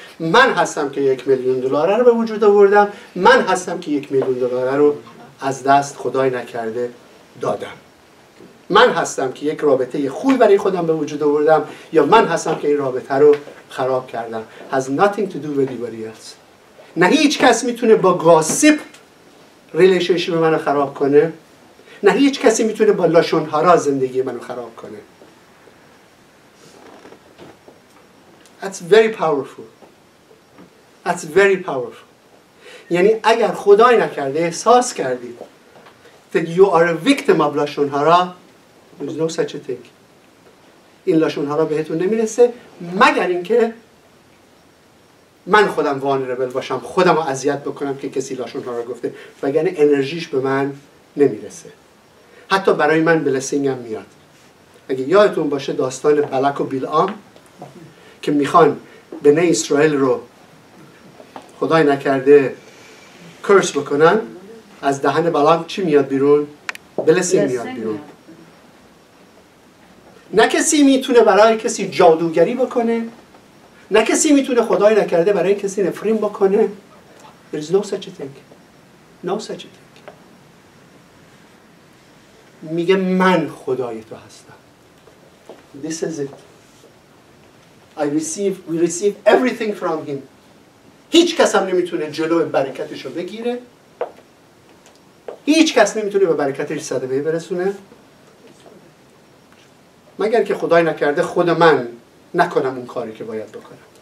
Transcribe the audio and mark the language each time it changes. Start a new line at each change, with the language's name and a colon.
Persian: من هستم که 1,000,000 دلار رو به وجود آوردم. من هستم که 1,000,000 دلار رو از دست، خدای نکرده، دادم. من هستم که یک رابطه خوبی برای خودم به وجود آوردم، یا من هستم که این رابطه رو خراب کردم.
English: Has nothing to do with anybody else.
Persian: نه هیچ کس میتونه با گاسیپ ریلیشنشیپ منو خراب کنه. نه هیچ کسی میتونه با لاشون هارا زندگی منو خراب کنه.
English: That's very powerful. That's very powerful.
Persian: یعنی اگر خدای نکرده احساس کردید
English: that you are a victim of
Persian: لاشون هارا،
English: there's no such a thing.
Persian: این لاشون هارا بهتون نمیرسه مگر اینکه من خودم وانربل باشم، خودم رو اذیت بکنم که کسی لاشون هارا گفته، وگرنه انرژیش به من نمیرسه. حتی برای من بلسینگ هم میاد. اگه یادتون باشه داستان بلک و بیلعام که میخوان بنی اسرائیل رو خدای نکرده کرس بکنن، از دهن بلک چی میاد بیرون؟ بلسینگ میاد بیرون. نه کسی میتونه برای کسی جادوگری بکنه، نه کسی میتونه خدای نکرده برای کسی نفرین بکنه.
English: There is no such a thing.
Persian: No such a thing. میگه من خدای تو هستم.
English: This is it. We receive everything from him.
Persian: هیچ کس هم نمیتونه جلو برکتشو بگیره. هیچ کس نمیتونه به برکتش صدمه برسونه. مگر که خدای نکرده خود من نکنم اون کاری که باید بکنم.